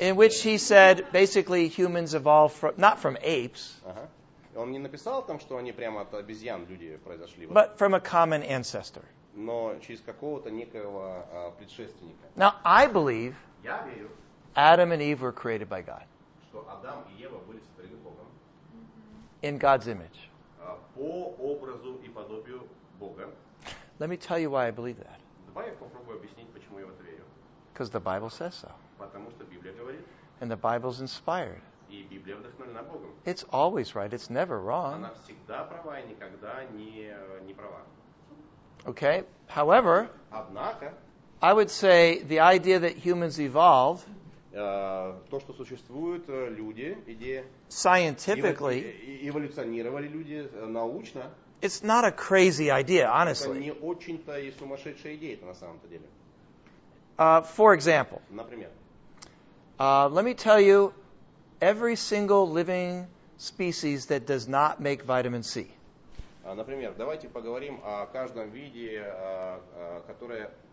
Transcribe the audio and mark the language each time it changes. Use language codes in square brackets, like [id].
[en] In which he said, basically, humans evolved not from apes. Uh-huh. [ru] Он не написал там, что они прямо от обезьян люди произошли. [en] But from a common ancestor. [ru] Но через какого-то некоего предшественника. [en] Now, I believe [ru] я верю, [en] Adam and Eve were created by God. [ru] Что Адам и Ева были сотворены Богом. [en] Mm-hmm. In God's image. [ru] По образу и подобию Бога. [en] Let me tell you why I believe that. [ru] Давай я попробую объяснить, почему я в это верю. [en] Because the Bible says so. [ru] Потому что Библия говорит. [en] And the Bible's inspired. [ru] И Библия вдохновлена Богом. [en] It's always right. It's never wrong. [ru] Она всегда права и никогда не права. [en] Okay. However, [ru] однако, [en] I would say the idea that humans evolved, [ru] то, что существуют люди, идея, [en] scientifically, [ru] эволюционировали люди научно, [en] it's not a crazy idea, honestly. [ru] Это не очень-то и сумасшедшая идея, это на самом-то деле. [en] For example. [ru] Например. [en] Let me tell you, every single living species that does not make vitamin C. [ru] Например, давайте поговорим о каждом виде, которое...